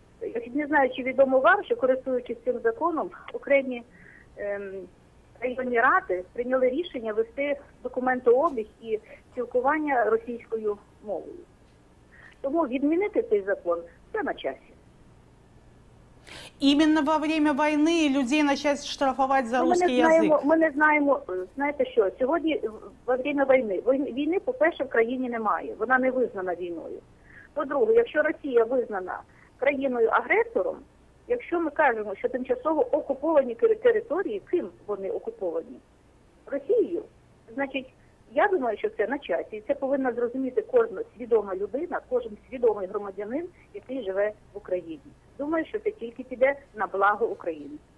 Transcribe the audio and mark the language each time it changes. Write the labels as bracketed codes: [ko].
[uk] Я не знаю, чи відомо вам, що, користуючись цим законом, окремі районні ради прийняли рішення вести документообіг і спілкування російською мовою. Тому відмінити цей закон – це на часі. [ru] Именно во время войны людей начать штрафовать за русский язык. Мы не знаем, знаете что, сегодня во время войны, войны, [uk] по-перше, [ru] в стране [uk] немає, [ru] она не [uk] визнана [ru] войной. По-друге, если Россия [uk] визнана країною-агресором, [ru] если мы говорим, что [uk] тимчасово окуповані [ru] территории, [uk] ким [ru] они [uk] окуповані? [ru] Россией. Значит, я думаю, что это [uk] на часі. [ru] Это [uk] повинна зрозуміти кожна свідома людина, кожен свідомий громадянин, який живе в Україні. Думаю, що це тільки піде на благо України.